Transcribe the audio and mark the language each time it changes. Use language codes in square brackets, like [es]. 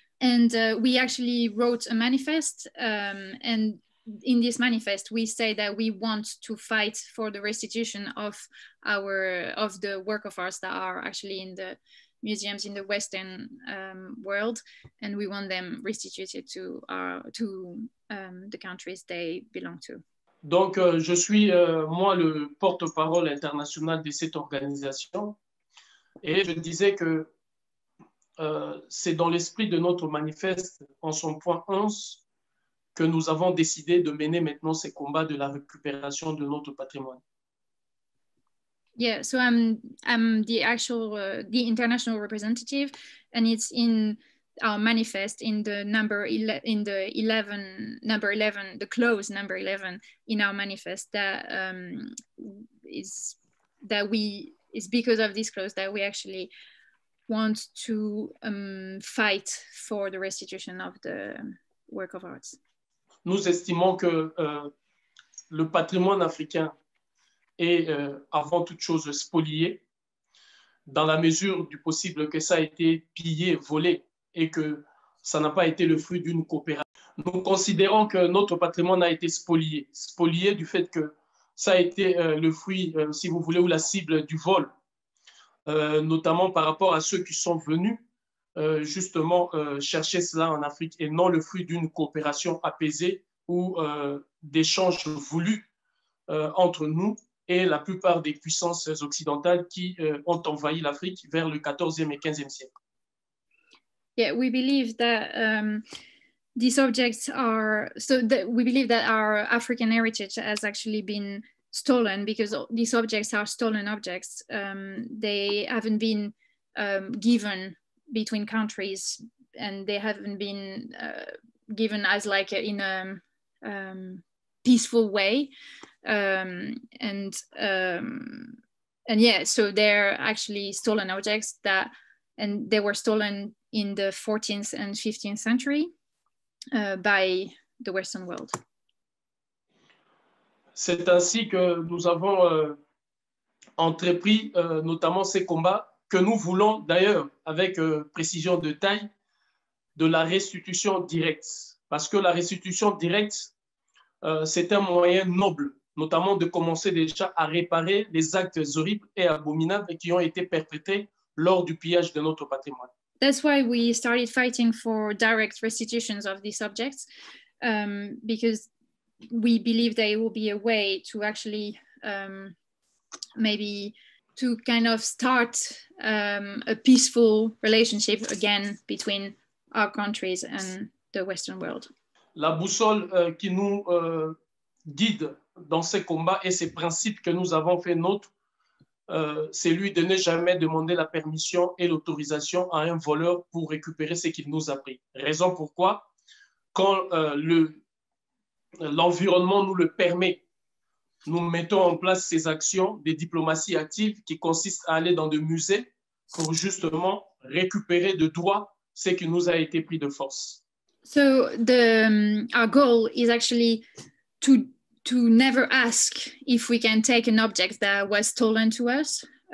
[en] And we actually wrote a manifest. And in this manifest, we say that we want to fight for the restitution of the work of ours that are actually in the museums in the Western world, and we want them restituted to the countries they belong to. [fr] Donc, je suis moi le porte-parole international de cette organisation, et je disais que c'est dans l'esprit de notre manifeste, en son point 11, que nous avons décidé de mener maintenant ces combats de la récupération de notre patrimoine. [en] Yeah, so I'm the actual the international representative, and it's in our manifest in the number in the 11 number 11 the clause number 11 in our manifest that is that we it's because of this clause that we actually want to fight for the restitution of the work of arts. [fr] Nous estimons que le patrimoine africain est avant toute chose spolié, dans la mesure du possible que ça a été pillé, volé, et que ça n'a pas été le fruit d'une coopération. Nous considérons que notre patrimoine a été spolié du fait que ça a été le fruit, si vous voulez, ou la cible du vol, notamment par rapport à ceux qui sont venus justement chercher cela en Afrique et non le fruit d'une coopération apaisée ou d'échanges voulus entre nous et la plupart des puissances occidentales qui ont envahi l'Afrique vers le 14e et 15e siècle. [en] Yeah, we believe that these objects are so that we believe that our African heritage has actually been stolen because these objects are stolen objects. They haven't been given between countries, and they haven't been given as like in a peaceful way. And yeah, so they're actually stolen objects that and they were stolen in the 14th and 15th century, by the Western world. [fr] C'est ainsi que nous avons entrepris notamment ces combats que nous voulons d'ailleurs avec précision de taille de la restitution directe. Parce que la restitution directe, c'est un moyen noble, notamment de commencer déjà à réparer les actes horribles et abominables qui ont été perpétrés lors du pillage de notre patrimoine. [en] That's why we started fighting for direct restitutions of these objects, because we believe there will be a way to actually maybe to kind of start a peaceful relationship again between our countries and the Western world. [fr] La boussole qui nous guide dans ces combats et ces principes que nous avons fait nôtres, c'est lui de ne jamais demander la permission et l'autorisation à un voleur pour récupérer ce qu'il nous a pris. Raison pourquoi, quand le l'environnement nous le permet, nous mettons en place ces actions de diplomatie active qui consistent à aller dans des musées pour justement récupérer de droit ce qui nous a été pris de force. [en] So the our goal is actually to never ask if we can take an object that was stolen to us.